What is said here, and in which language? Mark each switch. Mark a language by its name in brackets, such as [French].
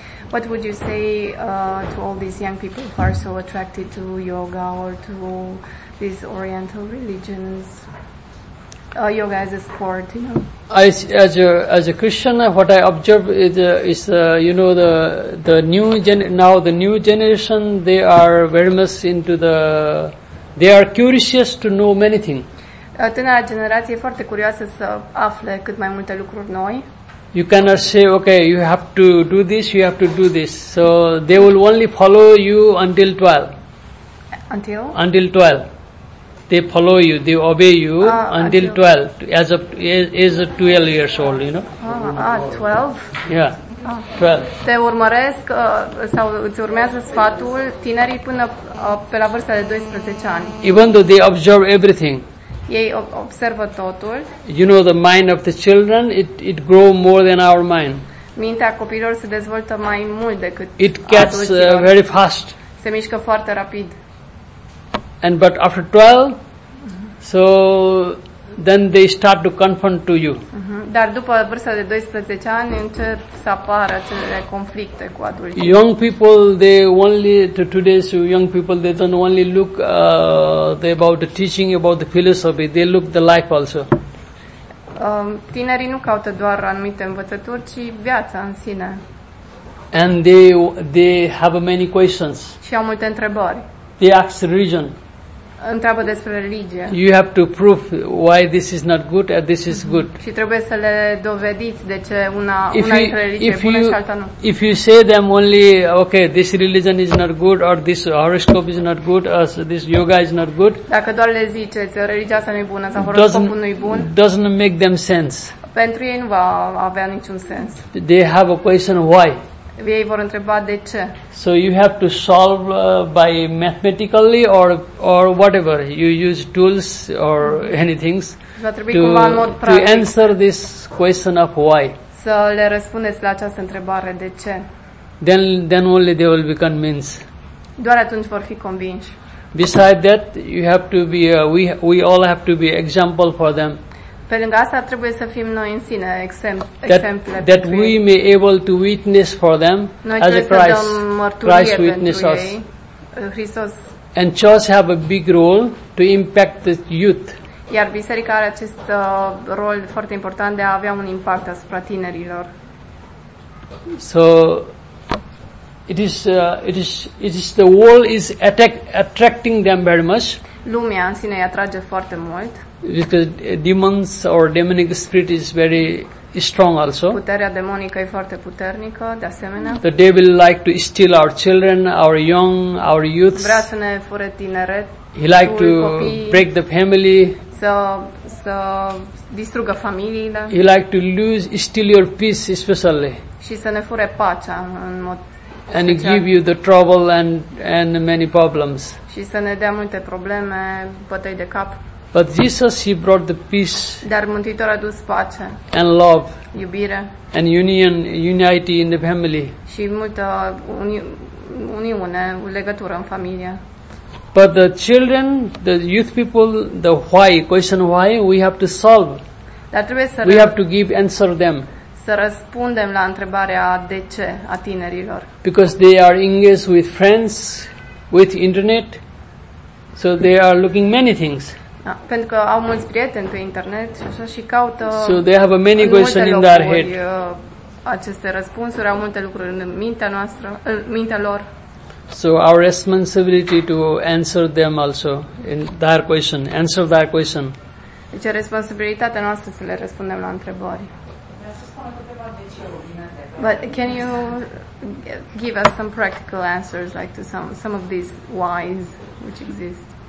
[English] What would you say to all these young people who are so attracted to yoga or to these oriental religions? Yoga as a sport, you know. As a Christian, what I observe is the new generation, they are very much into the, they are curious to know many things. [Romanian] Tânăra generație e foarte curioasă să afle cât mai multe lucruri noi. [English] You cannot say, okay, you have to do this, you have to do this. So they will only follow you until 12. Until? Until 12. They follow you, they obey you until 12, as of is 12 years old, you know. 12? Yeah, 12. [Romanian] Te urmăresc sau îți urmează sfatul tinerii până pe la vârsta de 12 ani. [English] Even though they observe everything. [Romanian] Ei observă totul. [English] You know the mind of the children, it grow more than our mind. [Romanian] Mintea copiilor se dezvoltă mai mult decât adulților. [English] It gets very fast. [Romanian] Se mișcă foarte rapid. [English] And but after 12, so then they start to confront to you. [Romanian] Dar după vârsta de 12 ani încep să apară acele conflicte cu adulții. [English] Young people, they only, today's young people, they don't only look about the teaching, about the philosophy, they look the life also. [Romanian] Tinerii nu caută doar anumite învățături, ci viața în sine. [English] And they have many questions. [Romanian] Și au multe întrebări. [English] They ask religion. [Romanian] Întreabă despre religie. [English] You have to prove why this is not good or this is good. [Romanian] Și trebuie să le dovediți de ce una dintre religie e bună și alta nu. [English] If you say them only, okay, this religion is not good or this horoscope is not good or this yoga is not good. [Romanian] Dacă doar le ziceți religia asta nu e bună sau horoscopul nu e bun. [English] Doesn't make them sense. [Romanian] Pentru ei nu va avea niciun sens. [English] They have a question why. [Romanian] Ei vor întreba de ce. [English] So you have to solve by mathematically or whatever you use tools or anything to answer this question of why. [Romanian] Să le răspundeți la această întrebare de ce. [English] Then only they will be convinced. [Romanian] Doar atunci vor fi convinși. [English] Beside that, you have to be we all have to be example for them. [Romanian] Pe lângă asta trebuie să fim noi în sine exemple. [English] That we may able to witness for them [Romanian] noi [English] as a Christ. Christ witness us. Hristos. And church have a big role to impact the youth. [Romanian] Iar biserica are acest rol foarte important de a avea un impact asupra tinerilor. [English] So it is the world is attracting them very much. [Romanian] Lumea în sine îi atrage foarte mult. [English] Because demons or demonic spirit is very strong also. [Romanian] Puterea demonică e foarte puternică, de asemenea. [English] The devil like to steal our children, our young, our youths. [Romanian] Vrea să ne fure tineret. [English] He like to [Romanian] copii, [English] break the family. [Romanian] Să distrugă familiile. [English] He like to steal your peace especially. [Romanian] Și să ne fure pacea în mod. [English] and it give you the trouble and many problems. [Romanian] Și să ne dea multe probleme, bătăi de cap. [English] But Jesus, he brought the peace. [Romanian] Dar Mântuitorul a dus pace. [English] And love. [Romanian] Iubire. [English] And union, unity in the family. [Romanian] Și multă uniune, legătură în familie. [English] But the children, the youth people, the why, question why, we have to solve. [Romanian] Dar trebuie să [English] we have to give answer them. [Romanian] Să răspundem la întrebarea de ce a tinerilor. [English] Because they are engaged with friends, with internet, so they are looking many things. [Romanian] Da, pentru că au mulți prieteni pe internet și așa și caută. [English] So they have many questions in their head. [Romanian] Aceste răspunsuri au multe lucruri în mintea noastră, în mintea lor. [English] So our responsibility to answer them also in their question, answer their question. [Romanian] Deci responsabilitatea noastră să le răspundem la întrebări. [English] But can you give us some practical answers, like to some of these whys which exist?